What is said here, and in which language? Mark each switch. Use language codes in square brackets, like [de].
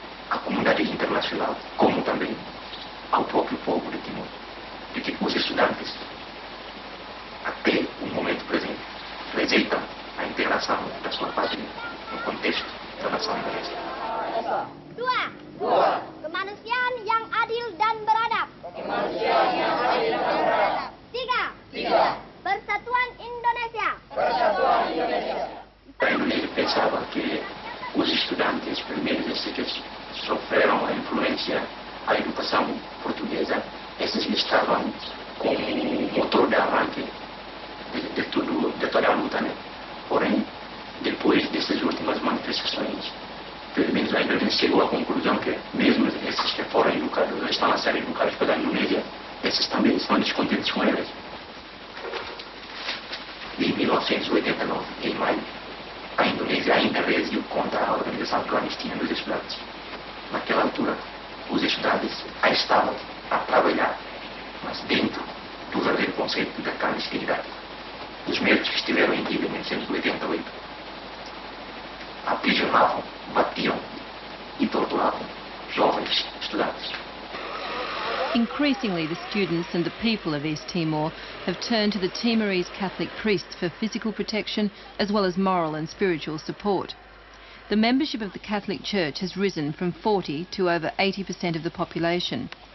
[pt] A comunidade internacional, como também ao próprio povo de Timor, de que os estudantes até o momento presente rejeita a integração da sua pátria no contexto da nação inglesa. [id] Dua. Dua. Kemanusiaan yang adil dan beradab. Kemanusiaan yang adil dan beradab. Tiga. Tiga. Persatuan Indonesia. Persatuan Indonesia. [pt] A Indonesia pensava que os estudantes primeiros estudantes sofreram a influência da educação portuguesa. Esses estavam como motor de arranque de toda a luta, né? Porém, depois dessas últimas manifestações, pelo menos a Indonésia chegou à conclusão que mesmo esses que foram educados, estão a ser educados pela Indonésia, esses também estão descontentes com eles. Em 1989, em maio, a Indonésia ainda reagiu contra a organização clandestina dos estudantes. Naquela altura, os estudantes já estavam a trabalhar, mas dentro do verdadeiro conceito da clandestinidade. Os médicos que estiveram em 1988 aprisionavam, batiam e torturavam jovens estudantes. [en] Increasingly, the students and the people of East Timor have turned to the Timorese Catholic priests for physical protection as well as moral and spiritual support. The membership of the Catholic Church has risen from 40 to over 80% of the population.